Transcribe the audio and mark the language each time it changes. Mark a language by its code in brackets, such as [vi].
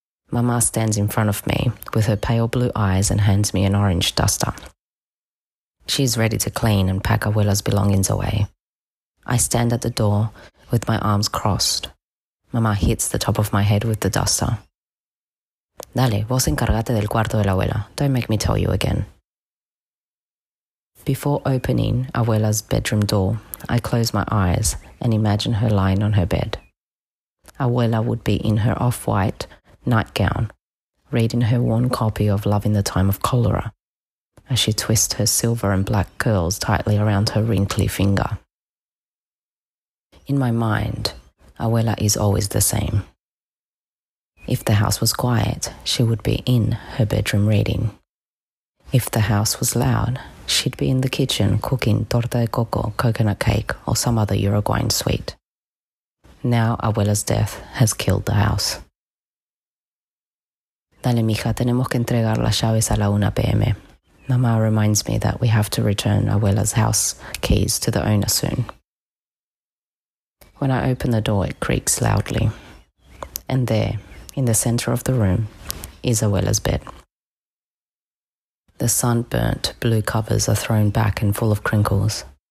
[en] Mama stands in front of me with her pale blue eyes and hands me an orange duster. She is ready to clean and pack abuela's belongings away. I stand at the door with my arms crossed. Mama hits the top of my head with the duster. [es] Dale, vos encargate del cuarto de la abuela. [en] Don't make me tell you again. Before opening abuela's bedroom door, I close my eyes and imagine her lying on her bed. Abuela would be in her off-white nightgown, reading her worn copy of Love in the Time of Cholera, as she twists her silver and black curls tightly around her wrinkly finger. In my mind, abuela is always the same. If the house was quiet, she would be in her bedroom reading. If the house was loud, she'd be in the kitchen cooking torta de coco, coconut cake, or some other Uruguayan sweet. Now abuela's death has killed the house. [es] Dale, mija, tenemos que entregar las llaves a la 1 p.m. [en] Mama reminds me that we have to return abuela's house keys to the owner soon. When I open the door, it creaks loudly. And there, in the center of the room, is abuela's bed. The sunburnt blue covers are thrown back and full of crinkles.